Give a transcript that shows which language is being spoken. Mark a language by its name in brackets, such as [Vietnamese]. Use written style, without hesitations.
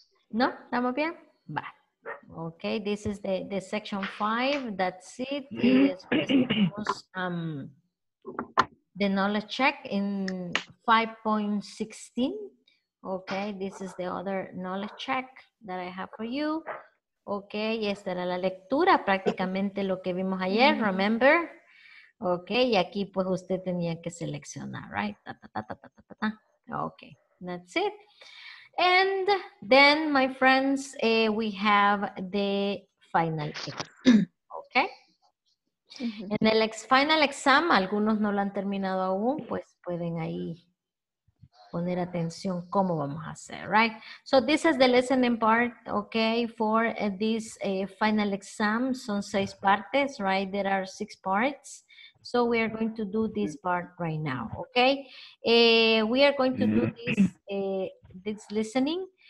[Spanish] No, estamos bien. Va. [English] Okay, this is the section 5. That's it. The knowledge check in 5.16. Okay, this is the other knowledge check that I have for you. [Spanish] Okay, y esta era la lectura, prácticamente lo que vimos ayer, remember? Okay, y aquí pues usted tenía que seleccionar, right? Ta, ta, ta, ta, ta, ta, ta. [English] Okay, that's it. And then, my friends, we have the final exam, okay? [Spanish] En el final exam, algunos no lo han terminado aún, pues pueden ahí poner atención cómo vamos a hacer, right? [English] So this is the listening part, okay, for this final exam. [Spanish] Son seis partes, [English] right? There are six parts. So we are going to do this part right now, okay? We are going to do this, this listening.